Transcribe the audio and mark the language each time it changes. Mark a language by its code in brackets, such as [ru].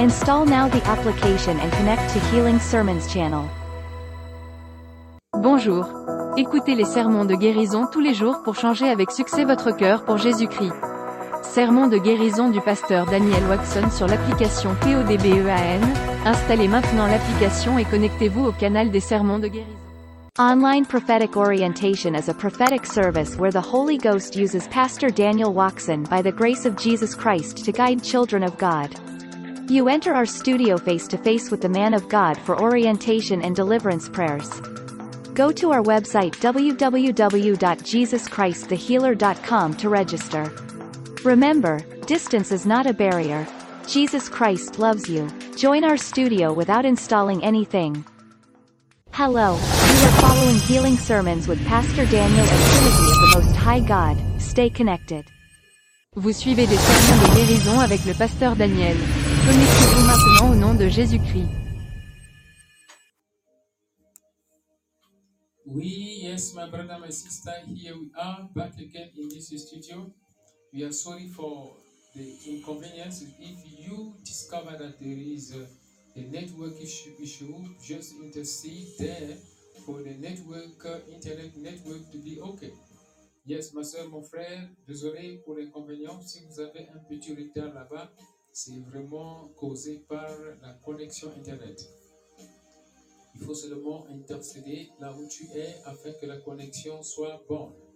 [en] Install now the application and connect to Healing Sermons channel. [fr] Bonjour. Écoutez les sermons de guérison tous les jours pour changer avec succès votre cœur pour Jésus-Christ. Sermon de guérison du pasteur Daniel Watson sur l'application PODBEAN. Installez maintenant l'application et connectez-vous au canal des sermons de guérison. [en] Online prophetic orientation is a prophetic service where the Holy Ghost uses Pastor Daniel Watson by the grace of Jesus Christ to guide children of God. You enter our studio face to face with the man of God for orientation and deliverance prayers. Go to our website www.jesuschristthehealer.com to register. Remember, distance is not a barrier. Jesus Christ loves you. Join our studio without installing anything. Hello, you are following Healing Sermons with Pastor Daniel and Trinity of the Most High God. Stay connected. [fr] Vous suivez des sermons de guérison avec le pasteur Daniel. Connectez-vous maintenant au nom de Jésus-Christ. [en] Oui, yes, my brother, my sister, here we are back again in this studio. We are sorry for the inconvenience. If you discover that there is a network issue, just intercede there for the network, internet network to be okay. [fr] Yes, ma soeur, mon frère, désolé pour l'inconvénient. Si vous avez un petit retard là-bas, c'est vraiment causé par la connexion internet. Il faut seulement intercéder là où tu es afin que la connexion soit bonne.